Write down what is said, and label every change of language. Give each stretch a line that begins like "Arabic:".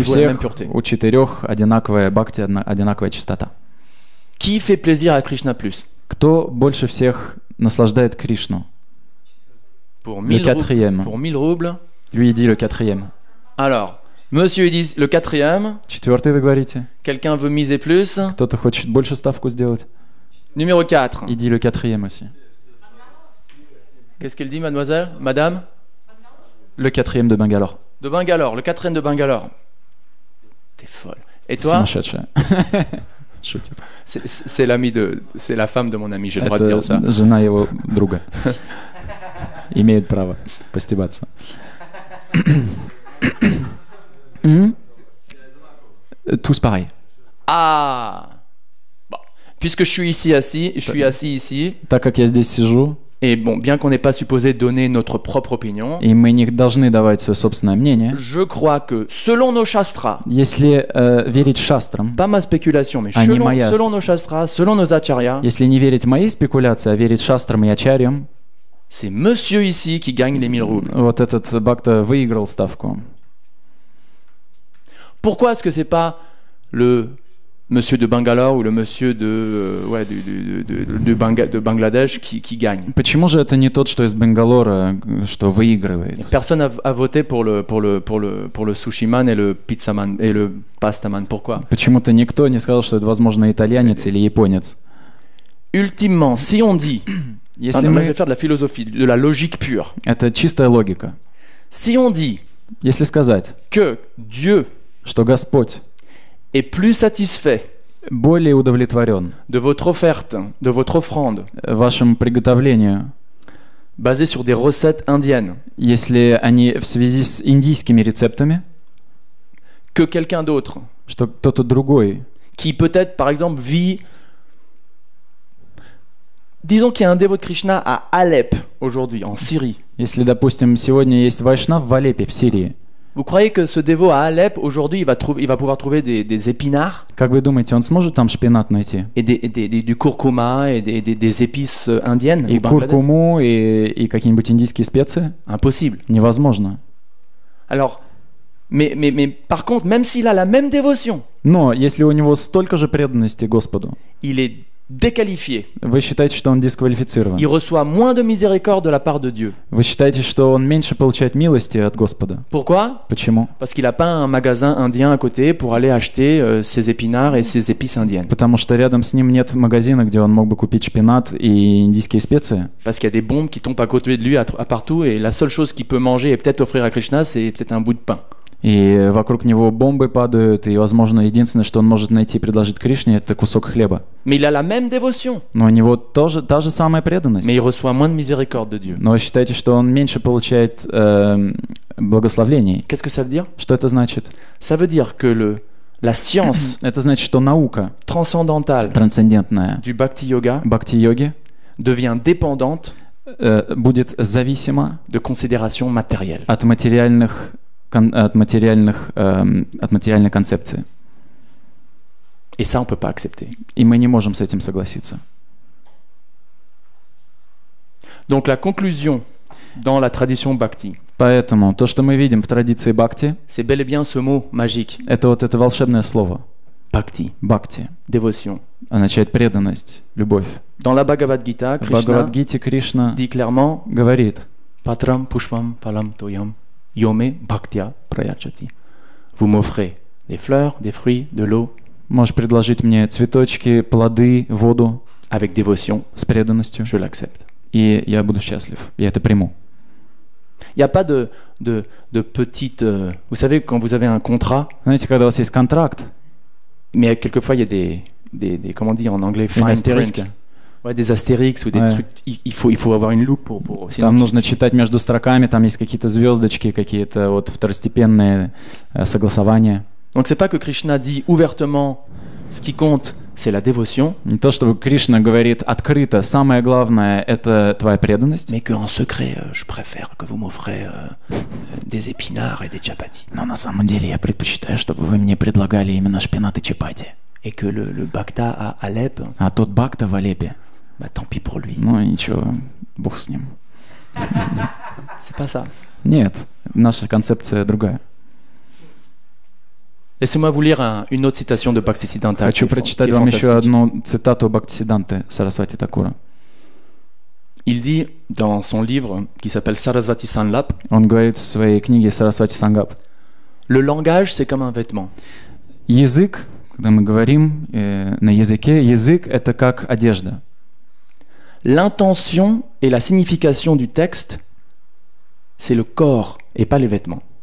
Russian: всех,
French: la même pureté.
Russian: У четырех одинаковая бхакти, одинаковая чистота.
French: Qui fait plaisir à Krishna plus?
Russian: Кто больше всех наслаждает Кришну.
French: Pour le quatrième. Pour 1000 roubles. Lui, il dit le quatrième. Alors, monsieur, il dit le quatrième.
Russian: Четвертый, вы говорите.
French: Quelqu'un veut miser plus.
Russian: Кто-то хочет больше ставку сделать.
French: Numéro 4. Il dit le quatrième aussi. Qu'est-ce qu'elle dit, mademoiselle, madame? Le quatrième de Bangalore. De Bangalore, le quatrième de Bangalore. T'es folle. Et toi? C'est mon chat. C'est l'ami de, c'est la femme de mon ami. J'ai le droit de dire ça.
Russian: Жена его друга. Имеет право постебаться.
French: Tous pareils. Ah. Bon. Puisque je suis ici assis, je suis assis ici.
Russian: Так как я здесь сижу.
French: Et bon, bien qu'on n'ait pas supposé donner notre propre opinion.
Russian: И мы не должны давать свое собственное мнение.
French: Je crois que selon nos shastras.
Russian: Если верить шастрам.
French: Pas ma spéculation, mais selon nos shastras, selon nos acharyas.
Russian: Если не верить моей спекуляции, а верить шастрам и ачарьям.
French: C'est monsieur ici qui gagne les 1000 roubles.
Russian: Вот этот бакта выиграл ставку.
French: Pourquoi est-ce que c'est pas le monsieur de Bangalore ou le monsieur de ouais de Bangladesh qui gagne?
Russian: Почему же это не тот, что из Бангалора, что выигрывает?
French: Personne a voté pour le sushiman et le pizzaman et le pastaman. Pourquoi?
Russian: Почему-то никто не сказал, что это возможно итальянец или японец.
French: Ultimement, si on dit
Russian: Если мы...
French: Je vais faire de la philosophie, de la logique pure.
Russian: Это чистая логика.
French: Si on dit,
Russian: если сказать,
French: que Dieu,
Russian: что Господь,
French: est plus satisfait,
Russian: более удовлетворен,
French: de votre offerte, de votre offrande,
Russian: вашим приготовлением,
French: basé sur des recettes indiennes,
Russian: если они в связи с индийскими рецептами,
French: que quelqu'un d'autre,
Russian: что кто-то другой,
French: qui peut-être, par exemple, vit Disons qu'il y a un dévot de Krishna à Alep aujourd'hui, en Syrie.
Russian: Если, допустим, сегодня есть вайшнав в Алеппе, в Сирии.
French: Vous croyez que ce dévot à Alep aujourd'hui, il va pouvoir trouver des épinards?
Russian: Как вы думаете, он сможет там шпинат найти?
French: Et du куркума et des épices indiennes?
Russian: И куркуму и какие-нибудь индийские специи?
French: Impossible.
Russian: Невозможно.
French: Alors, mais par contre, même s'il a la même dévotion.
Russian: Но если у него столько же преданности Господу.
French: Il est Déqualifié.
Russian: Вы считаете, что он дисквалифицирован?
French: Il reçoit moins de miséricorde de la part de Dieu.
Russian: Вы считаете, что он меньше получает милости от Господа?
French: Pourquoi?
Russian: Почему?
French: Parce qu'il a pas un magasin indien à côté pour aller acheter ses épinards et ses épices indiennes.
Russian: Потому что рядом с ним нет магазина, где он мог бы купить шпинат и индийские специи.
French: Parce qu'il y a des bombes qui tombent à côté de lui à partout et la seule chose qu'il peut manger et peut-être offrir à Krishna, c'est peut-être un bout de pain.
Russian: И вокруг него бомбы падают, и, возможно, единственное, что он может найти и предложить Кришне, это кусок хлеба.
French: Mais il a la même dévotion.
Russian: Но у него тоже та же самая преданность.
French: Mais il reçoit moins de miséricorde de Dieu.
Russian: Но считайте, что он меньше получает благословений.
French: Qu'est-ce que ça veut dire?
Russian: Что это значит?
French: Ça veut dire que la science
Russian: это значит, что наука
French: transcendantale
Russian: трансцендентная
French: du bhakti-yoga
Russian: bhakti-yoги
French: devient dépendante
Russian: будет зависима
French: de considération matérielle.
Russian: От материальных от материальной концепции.
French: Et ça, on peut pas accepter.
Russian: И мы не можем с этим согласиться.
French: Donc, la conclusion dans la tradition bhakti,
Russian: поэтому то, что мы видим в традиции бхакти,
French: c'est bel et bien ce mot magique.
Russian: Это вот это волшебное слово.
French: Bhakti.
Russian: Bhakti.
English: Devotion.
Russian: Означает преданность, любовь.
French: Dans la Bhagavad Gita, Krishna,
Russian: Bhagavad Gita, Krishna
French: dit clairement,
Russian: говорит
Sanskrit: Patram Pushpam Palam Toyam Yome Bhaktya Prayachati.
French: Vous m'offrez des fleurs, des fruits, de l'eau.
Russian: Можешь предложить мне цветочки, плоды, воду.
French: Avec dévotion.
Russian: С преданностью.
French: Je l'accepte.
Russian: И я буду счастлив. Я это приму.
French: Il y a pas de petite. Vous savez quand vous avez un contrat.
Russian: Знаете, когда у вас есть контракт.
French: Mais quelquefois il y a des comment dire en anglais.
English: Fine print.
French: Ouais, des astérix ou des ouais. trucs. Il faut avoir une loupe pour.
Russian: Там нужно читать между строками, там есть какие-то звездочки, какие-то вот второстепенные согласования.
French: Donc c'est pas que Krishna dit ouvertement ce qui compte, c'est la dévotion.
Russian: Не то, что Кришна говорит открыто, самое главное это твоя преданность.
French: Mais que en secret, je préfère que vous m'offrez des épinards et des chapatis.
Russian: Но на самом деле я предпочитаю, чтобы вы мне предлагали именно шпинат и чапати.
French: Et que le bhakta à Alep.
Russian: А тот бхакта в Алеппе.
French: Bah tant pis pour lui.
Russian: Ну ничего, бог с ним.
French: C'est pas ça.
Russian: Нет, наша концепция другая.
French: Laissez-moi vous lire une autre citation de Bhaktisiddhanta.
Russian: Хочу прочитать вам еще одну цитату Бхактисидданты Сарасвати Такура.
French: Il dit dans son livre qui s'appelle Sarasvati Sanlap.
Russian: Он говорит в своей книге Сарасвати Сангап.
French: Le langage c'est comme un vêtement.
Russian: Язык, когда мы говорим на языке, язык это как одежда.
French: L'intention et la signification du texte c'est le corps et pas les vêtements.